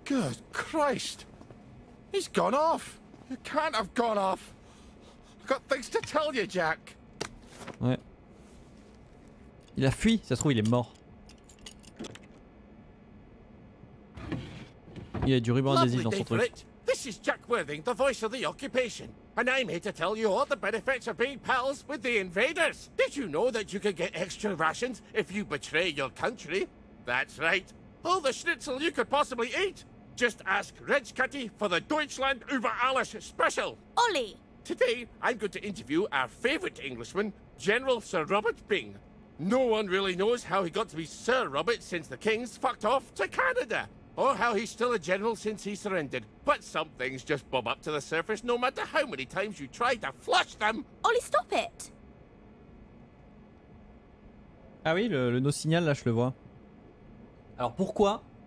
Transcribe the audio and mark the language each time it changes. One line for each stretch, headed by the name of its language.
English: Good Christ! He's gone off! You can't have gone off! I've got things to tell you, Jack!
French: Ouais. Il a fui, ça se trouve, il est mort. Il y a du ruban adhésif dans son truc.
English: This is Jack Worthing, the voice of the occupation. And I'm here to tell you all the benefits of being pals with the invaders. Did you know that you can get extra rations if you betray your country? That's right. All the schnitzel you could possibly eat. Just ask Reg Cutty for the
German: Deutschland über alles
English: special. Ollie! Today, I'm going to interview our favorite Englishman, General Sir Robert Byng. No one really knows how he got to be Sir Robert since the Kings fucked off to Canada. Or how he's still a general since he surrendered. But some things just bob up to the surface no matter how many times you try to flush them. Ollie, stop it!
French: Ah oui, le no-signal, là, je le vois. Alors, pourquoi?